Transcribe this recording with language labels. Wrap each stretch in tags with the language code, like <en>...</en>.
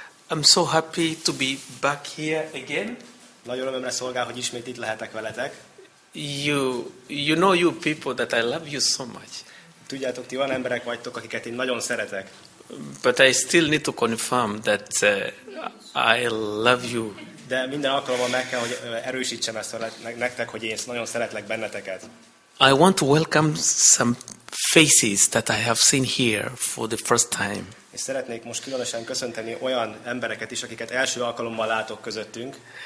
<en>I'm so happy to be back here again.</en> <hu>Nagyon örömömre szolgál, hogy ismét itt lehetek veletek.</hu> <en>You know you people that I love you so much.</en> <hu>Tudjátok, ti olyan emberek vagytok, akiket én nagyon szeretek.</hu> <en>But I still need to confirm that I love you.</en> <hu>De minden alkalommal meg kell, hogy erősítsem ezt nektek, hogy én nagyon szeretlek benneteket.</hu> <en>I want to welcome some faces that I have seen here for the first time.</en> <hu>És szeretnék most különösen köszönteni olyan embereket is, akiket első alkalommal látok közöttünk.</hu>